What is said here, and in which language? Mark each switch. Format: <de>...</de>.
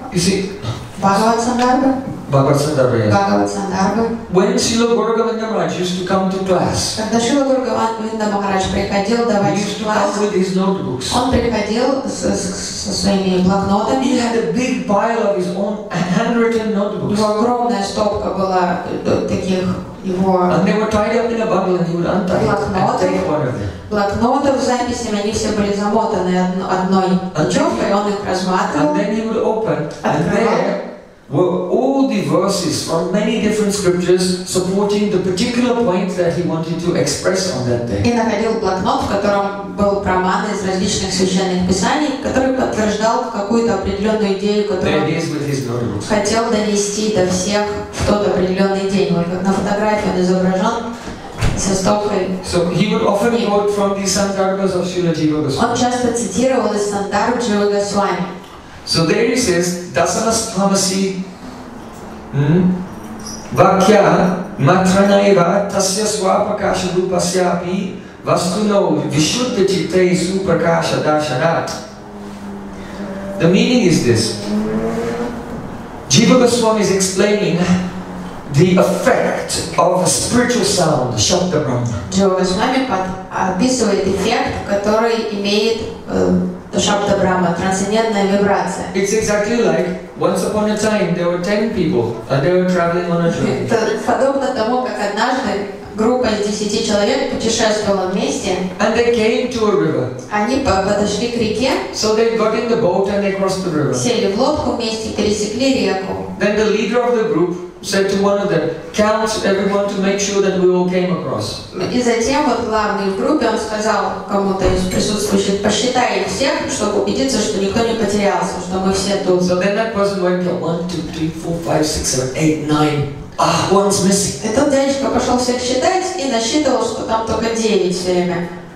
<en>You see. Bhagavad Sandarbha. Bhagavad Sandarbha. Yes. Bhagavad Sandarbha. When Srila Govinda Maharaj used to come to class.</en> <ru>Когда Шрила Говинда Махарадж приходил давать класс.</ru> <en>He used to come with his notebooks.</en> <ru>Он приходил со своими блокнотами.</ru> <en>He had a big pile of his own handwritten notebooks.</en> <ru>У него огромная стопка была таких его.</ru> <en>And they were tied up in a bundle, and he would untie it and take one of them.</en> <ru>Блокнотов с записями, они все были замотаны одной веревкой, он их разматывал.</ru> <en>And then he would open, and there were all the verses from many different scriptures supporting the particular point that he wanted to express on that day.</en> <ru>И находил блокнот, в котором был проман из различных священных писаний, который подтверждал какую-то определенную идею, которую он хотел донести до всех в тот определенный день. Вот как на фотографии он изображен.</ru> <en>So he would often quote from the Sandarbhas of Srila Jiva Goswami.</en> <ru>Он часто цитировал из Сандарбх Джива Госвами.</ru> <en>So there he says,</en> <sa>Dasanasthamasi Vakya Matranaiva Tasya Swapakasha Rupasyapi Vastuno Vishuddha Chitte Suprakasha Darshanat.</sa> <en>The meaning is this. Jiva Goswami is explaining the effect of a spiritual sound, Shabda Brahma.</en> <ru>Описывает эффект, который имеет Шабда Брама, трансцендентная вибрация.</ru> <en>It's exactly like once upon a time there were 10 people and they were traveling on a journey.</en> <ru>Это подобно тому, как однажды группа из 10 человек путешествовала вместе.</ru> <en>And they came to a river.</en> <ru>Они подошли к реке.</ru> <en>So they got in the boat and they crossed the river.</en> <ru>Сели в лодку вместе, пересекли реку.</ru> <en>Then the leader of the group said to one of them, count everyone to make sure that we all came across.</en> <ru>И затем вот главный в группе он сказал кому-то из присутствующих, посчитай всех, чтобы убедиться, что никто не потерялся, что мы все тут.</ru> <en>So then that person went to 1, 2, 3, 4, 5, 6, 7, 8, 9. Ah, one's missing.</en> <ru>И тот дядечка пошел всех считать и насчитывал, что там только 9 время.</ru>